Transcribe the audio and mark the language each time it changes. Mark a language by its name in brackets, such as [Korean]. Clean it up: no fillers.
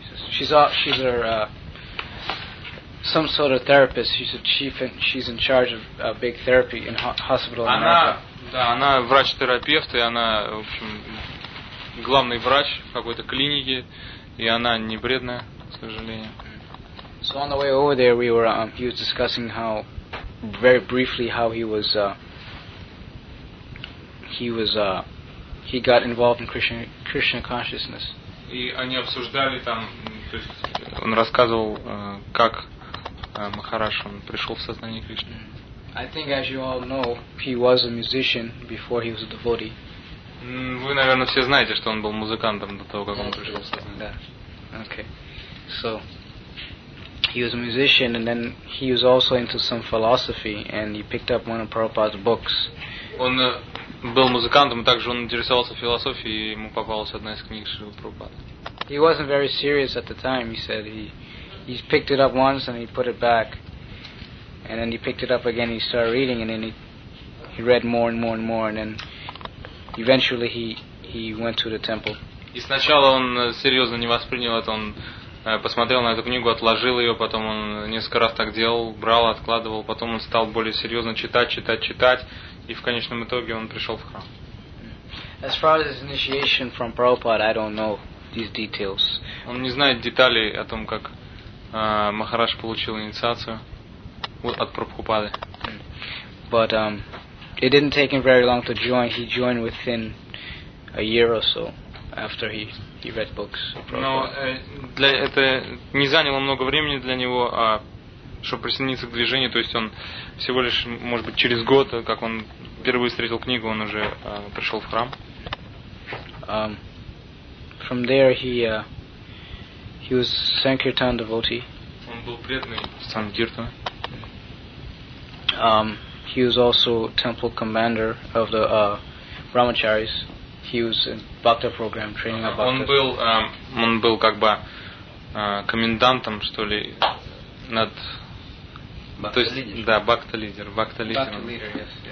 [English] He have sister? Some sort of therapist. She's a chief and she's in charge of a big therapy in hospital in America. [Russian] Да, она врач-терапевт, и она, в общем, главный врач какой-то клиники, и она не бредная, к сожалению. [English] So on the way over there, we were he was discussing how very briefly how he got involved in Krishna consciousness. [Russian] И они обсуждали там, то есть он рассказывал, как Махараш, он пришел в сознание Кришны. [English] I think, as you all know, he was a musician before he was a devotee. [Russian] Вы, наверное, все знаете, что он был музыкантом до того, как он пришел в сознание. Да. Okay. [English] So he was a musician, and then he was also into some philosophy, and he picked up one of Prabhupada's books. [Russian] Он был музыкантом, также он интересовался философией, и ему попалась одна из книг Шрилы Прабхупады. [English] He wasn't very serious at the time. He said he picked it up once and he put it back. And then he picked it up again, he started reading, and then he read more and more and more, and then eventually he went to the temple. [Russian] И сначала он серьезно не воспринял это, он посмотрел на эту книгу, отложил ее, потом он несколько раз так делал, брал, откладывал, потом он стал более серьезно читать, и в конечном итоге он пришел в храм. [English] As far as his initiation from Prabhupada, I don't know these details. [Russian] Он не знает деталей о том, как Махарадж получил инициацию от Прабхупады. [English] But it didn't take him very long to join. He joined within a year or so after he read books. [Russian] Но для это не заняло много времени для него, а чтобы присоединиться к движению, то есть он всего лишь, может быть, через год, как он впервые встретил книгу, он уже пришел в храм. [English] From there he was Sankirtan devotee. [Russian] Он был преданный Санкиртана. [English] He was also temple commander of the Brahmacharis. He was in Bhakta program training up. [Russian] Он был как бы комендантом, что ли, над [English] Bhakta leader.